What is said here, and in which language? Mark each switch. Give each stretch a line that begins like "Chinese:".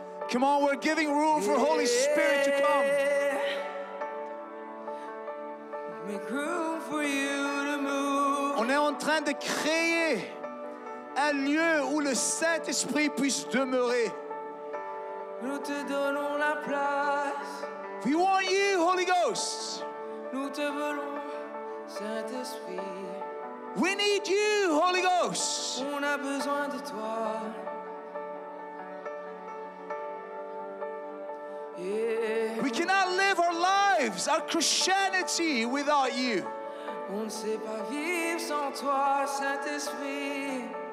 English: Come on, we're giving room for Holy Spirit to come. Make room for you to move.
French: On est en train de créer un lieu où le Saint-Esprit puisse demeurer. Nous te donnons la place.
English: We want you, Holy Ghost.
French: Nous te voulons, Saint-Esprit.
English: We need you, Holy Ghost.
French: On a besoin de toi.
English: We cannot live our lives, our Christianity, without you.
French: On ne sait pas vivre sans toi, Saint-Esprit.